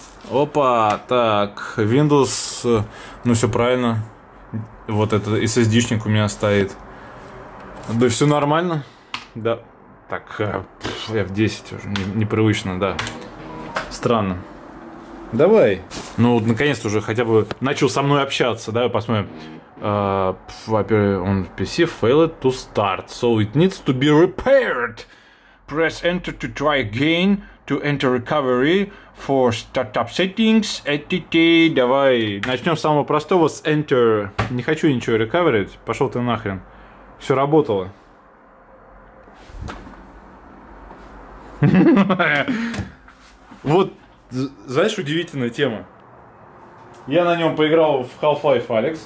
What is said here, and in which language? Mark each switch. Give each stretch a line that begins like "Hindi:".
Russian: Опа, так. Windows, ну все правильно. Вот этот SSD-шник у меня стоит. Да все нормально. Да. Так, F10 уже непривычно, да. Странно. Давай. Ну, наконец-то уже хотя бы начал со мной общаться. Давай посмотрим. Во-первых, он
English: PC failed to start. So it needs to be repaired. Press enter to try again to enter recovery for startup settings.
Russian: Давай. Начнем с самого простого, с enter. Не хочу ничего рекаверить. Пошел ты нахрен. Все работало. Вот, знаешь, удивительная тема. Я на нем поиграл в Half-Life Alyx.